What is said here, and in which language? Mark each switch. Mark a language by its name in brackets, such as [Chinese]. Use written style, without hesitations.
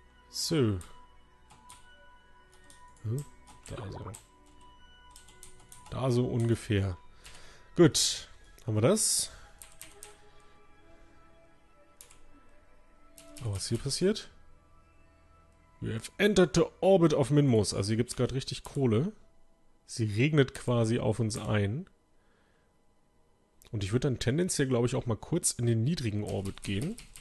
[German] So. Hm? Da so. Da so ungefähr. Gut. Haben wir das? Aber was ist hier passiert? [English] We have entered the orbit of Minmus. [German] Also hier gibt es gerade richtig Kohle. Sie regnet quasi auf uns ein. Und ich würde dann tendenziell, glaube ich, auch mal kurz in den niedrigen Orbit gehen.